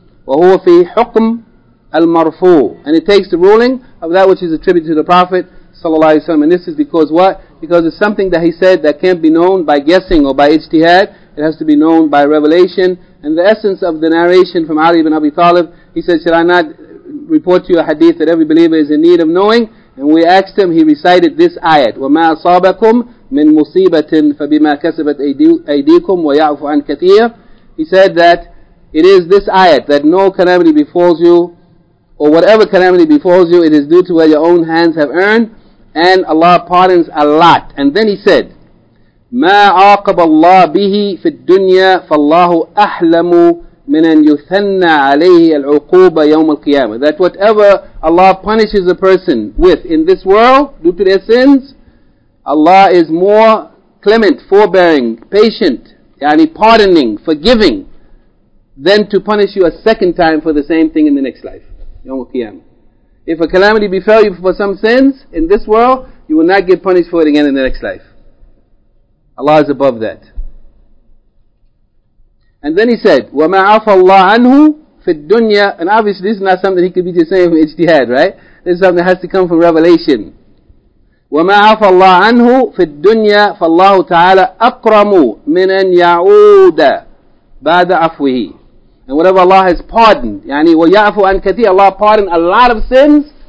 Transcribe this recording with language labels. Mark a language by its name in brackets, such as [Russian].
[Arabic] Wa huwa fi hukm al-marfu. [English] And it takes the ruling of that which is attributed to the Prophet sallallahu alayhi wa sallam. And this is because what? Because it's something that he said that can't be known by guessing or by ijtihad. It has to be known by revelation. And the essence of the narration from Ali ibn Abi Talib, he said, "Shall I not report to you a hadith that every believer is in need of knowing?" And we asked him, he recited this ayat, [Arabic] "وَمَا أَصَابَكُمْ مِنْ مُصِيبَةٍ فَبِمَا كَسَبَتْ أَيْدِيكُمْ وَيَعْفُ عَنْ كَثِيرٍ." [English] He said that it is this ayat that no calamity befalls you, or whatever calamity befalls you, it is due to what your own hands have earned, and Allah pardons a lot. And then he said, [Arabic] "مَا عَاقَبَ اللَّهُ بِهِ فِي الدُّنْيَا فَاللَّهُ أَحْلَمُ مِنْ أَنْ يُثَنَّ عَلَيْهِ الْعُقُوبَ يَوْمَ الْقِيَامَةِ." [English] That whatever Allah punishes a person with in this world due to their sins, Allah is more clement, forbearing, patient, yani pardoning, forgiving, than to punish you a second time for the same thing in the next life, يوم القيامة. If a calamity befell you for some sins in this world, you will not get punished for it again in the next life. Allah is above that. And then he said, [Arabic] "وَمَا عَفَى اللَّهُ عَنْهُ فِي الدُّنْيَا." [English] And obviously this is not something he could be just saying from ijtihad, right? This is something that has to come from revelation. [Arabic] "وَمَا عَفَى اللَّهُ عَنْهُ فِي الدُّنْيَا فَاللَّهُ تَعَالَى أَقْرَمُ مِنْ أَنْ يَعُودَ بَعْدَ عَفْوِهِ." [English] And whatever Allah has pardoned, yani [Arabic] وَيَعْفُ عَنْ كَثِيرٍ, [English] Allah pardoned a lot of sins.